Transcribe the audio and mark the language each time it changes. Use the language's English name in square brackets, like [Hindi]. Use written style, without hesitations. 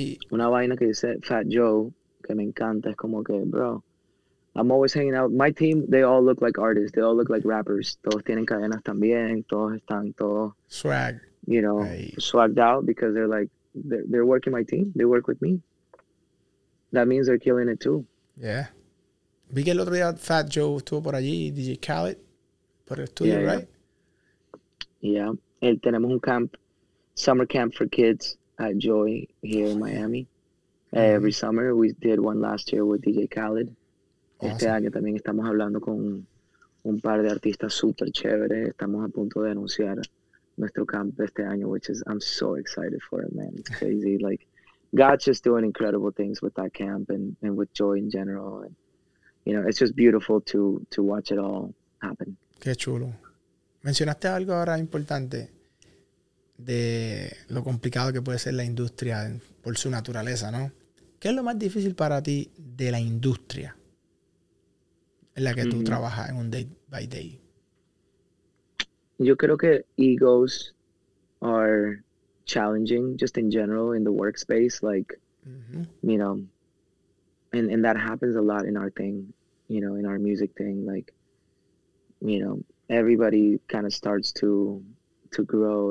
[Spanish] Una vaina que dice Fat Joe, que me encanta, es como que, [English] bro, I'm always hanging out. My team, they all look like artists. They all look like rappers. [Spanish] Todos tienen cadenas también. Todos están todos [English] swag. You know, right. Swagged out, because they're like, they're working my team. They work with me. That means they're killing it too. Yeah. [Spanish] Vi que el otro día Fat Joe estuvo por allí, DJ Khaled, por el estudio, [English] yeah, right? Yeah. [Spanish] El tenemos un [English] camp, summer camp for kids at Joy here in Miami. Mm-hmm. Every summer. We did one last year with DJ Khaled. Awesome. [Spanish] Este año también estamos hablando con un par de artistas super chévere. Estamos a punto de anunciar nuestro camp este año, [English] which is, I'm so excited for it, man. It's crazy. Like, God's just doing incredible things with that camp and with Joy in general. And, you know, it's just beautiful to watch it all happen. [Spanish] Qué chulo. Mencionaste algo ahora importante de lo complicado que puede ser la industria por su naturaleza, ¿no? ¿Qué es lo más difícil para ti de la industria en la que mm-hmm. tú trabajas en un [English] day by day? Yo creo que egos are challenging just in general in the workspace, like, mm-hmm. you know, and that happens a lot in our thing, you know, in our music thing, like, you know, everybody kind of starts to grow.